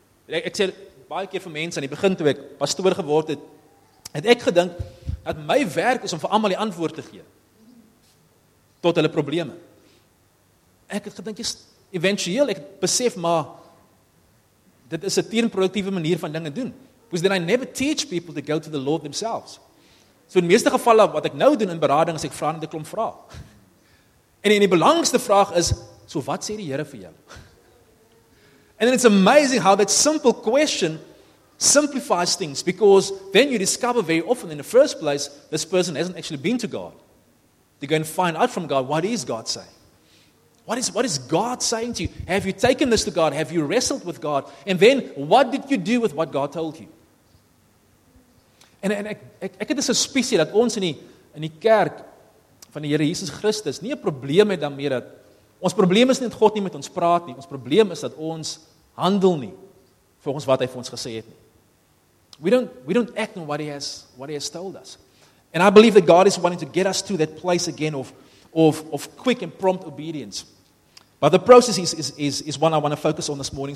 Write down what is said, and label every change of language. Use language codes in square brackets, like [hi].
[af] Ek sê baie keer vir mense aan die begin toe ek pastoor geword het, het ek gedink dat my werk is om vir almal die antwoord te gee tot hulle probleme. Ek het gedink eventueel ek besef maar dit is 'n teenproduktiewe manier van dinge doen. [en] Because then I never teach people to go to the Lord themselves. [af] So in meeste gevalle wat ek nou doen in berading is ek vra net 'n klomp vrae. En die belangrikste vraag is, so wat sê die Here vir jou? [en] And then it's amazing how that simple question simplifies things because then you discover very often in the first place this person hasn't actually been to God. To go and find out from God, what is God saying? What is God saying to you? Have you taken this to God? Have you wrestled with God? And then, what did you do with what God told you? [af] En ek het 'n suspisie dat ons in die kerk van die Here Jesus Christus nie 'n probleem het daarmee dat ons probleem is nie dat God nie met ons praat nie. Ons probleem is dat ons handel nie volgens wat hy vir ons gesê het nie. [en] We don't act on what he has told us. And I believe that God is wanting to get us to that place again of quick and prompt obedience. But the process is one I want to focus on this morning.